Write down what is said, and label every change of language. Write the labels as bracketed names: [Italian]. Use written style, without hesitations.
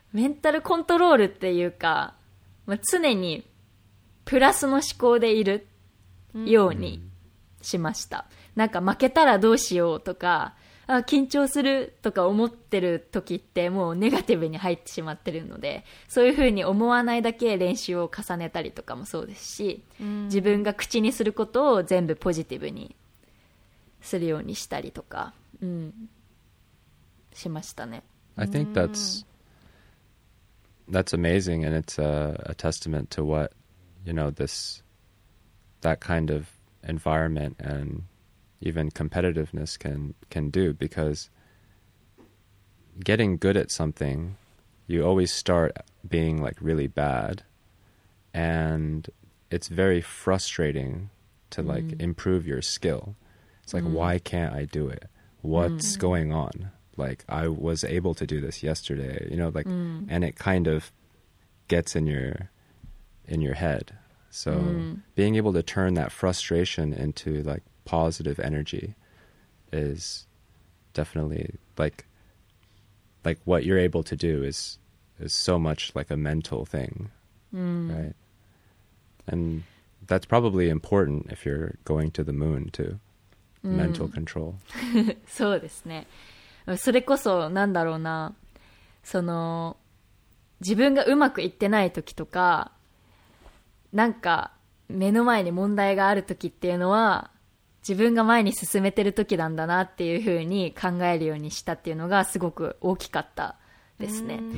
[Japanese] メンタルコントロールっていうか、まあ、常にプラスの思考でいるようにしました、うん、なんか負けたらどうしようとか、あ、緊張するとか思ってる時ってもうネガティブに入ってしまってるので、そういうふうに思わないだけ練習を重ねたりとかもそうですし、うん、自分が口にすることを全部ポジティブにするようにしたりとか、うん、しましたね。 [English] I think that's amazing, and it's a testament to what, you know, this, that kind of environment and even competitiveness can do, because getting good at something, you always start being like really bad, and it's very frustrating to like improve your skill. It's like, why can't I do it? What's going on? Like, I was able to do this yesterday, you know, like, and it kind of gets in your head. So being able to turn that frustration into like positive energy is definitely like what you're able to do is so much like a mental thing, right? And that's probably important if you're going to the moon too. Mental control. [Japanese] そうですね。それこそなんだろうな、その自分がうまくいってない時とか、なんか目の前に問題がある時っていうのは、自分が前に進めてる時なんだなっていう風に考えるようにしたっていうのがすごく大きかったですね。